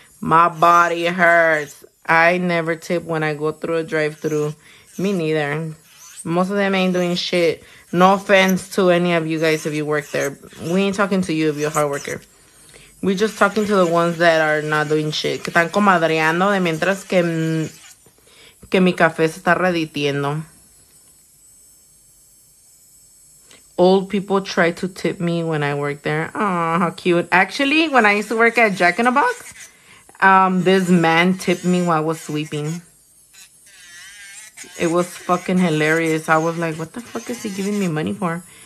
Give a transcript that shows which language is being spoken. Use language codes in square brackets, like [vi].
[en] My body hurts. I never tip when I go through a drive-thru. Me neither. Most of them ain't doing shit. No offense to any of you guys if you work there. We ain't talking to you if you're a hard worker. We just talking to the ones that are not doing shit. [es] Que están comadreando de mientras que mi café se está reditiendo. [en] Old people try to tip me when I work there. Aw, how cute. Actually, when I used to work at Jack in the Box, this man tipped me while I was sweeping. It was fucking hilarious. I was like, what the fuck is he giving me money for?